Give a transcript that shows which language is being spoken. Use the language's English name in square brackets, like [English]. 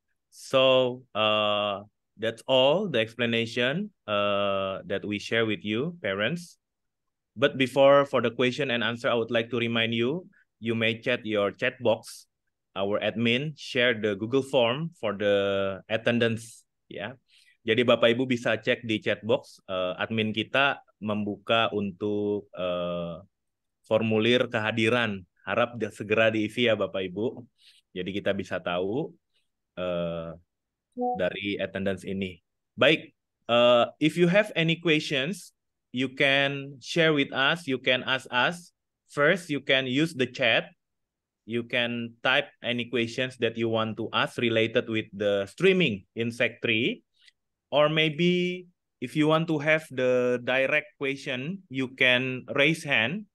[English] So that's all the explanation that we share with you, parents. But before for the question and answer, I would like to remind you, you may chat your chat box. Our admin share the Google form for the attendance, ya. [Indonesian] Jadi Bapak Ibu bisa cek di chat box, admin kita membuka untuk formulir kehadiran. Harap segera diisi ya Bapak Ibu. Jadi kita bisa tahu dari attendance ini. [English] Baik, if you have any questions, you can share with us, you can ask us. First, you can use the chat. You can type any questions that you want to ask related with the streaming in Sec3. Or maybe if you want to have the direct question, you can raise hand.